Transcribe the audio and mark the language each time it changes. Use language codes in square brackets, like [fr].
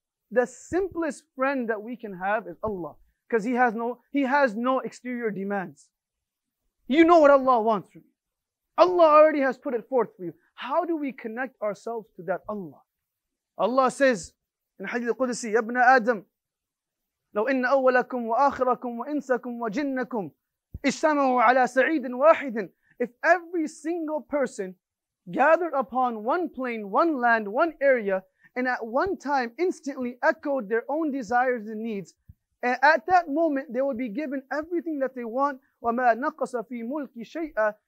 [en] The simplest friend that we can have is Allah. Because He has no exterior demands. You know what Allah wants from you. Allah already has put it forth for you. How do we connect ourselves to that Allah? Allah says in Hadith al-Qudsi, [ar] يَبْنَ آدَمْ لَوْ إِنَّ أَوَّلَكُمْ وَآخِرَكُمْ وَإِنسَكُمْ وَجِنَّكُمْ اِجْتَمَعُوا عَلَى سَعِيدٍ وَاحِدٍ. [en] If every single person gathered upon one plane, one land, one area, and at one time instantly echoed their own desires and needs, at that moment they would be given everything that they want. [ar] وَمَا نَقَصَ فِي مُلْكِ شَيْئًا.